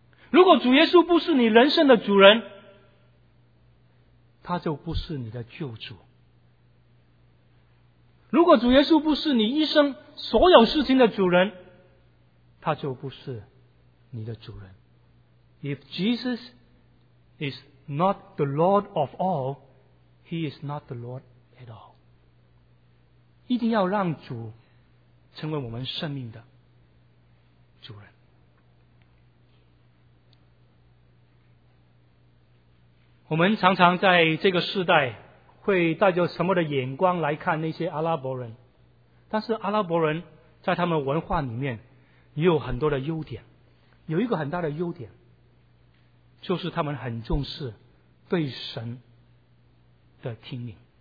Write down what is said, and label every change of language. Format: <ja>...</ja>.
<zh>如果主耶稣不是你人生的主人，他就不是你的救主。如果主耶稣不是你一生所有事情的主人，他就不是你的主人。</zh> <en>If Jesus is not the Lord of all, He is not the Lord at all.</en> <zh>一定要让主成为我们生命的主人。我们常常在这个世代会带着什么的眼光来看那些阿拉伯人，但是阿拉伯人在他们文化里面也有很多的优点，有一个很大的优点，就是他们很重视对神的听命。</zh>